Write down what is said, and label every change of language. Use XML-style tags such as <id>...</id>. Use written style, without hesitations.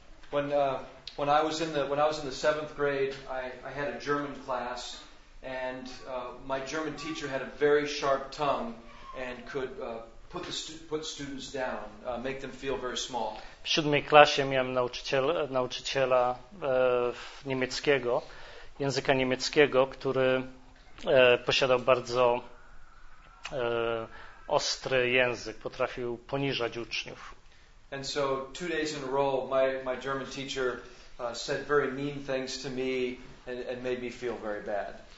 <en>When I was in the seventh grade, I had a German class, and my German teacher had a very sharp tongue and could put students down, make them feel very small.</en> <pl>W siódmej klasie miałem nauczyciela niemieckiego, języka niemieckiego, który posiadał bardzo ostry język, potrafił poniżać uczniów.</pl> <en>And so 2 days in a row, my German teacher said very mean things to me and made me feel very bad.</en>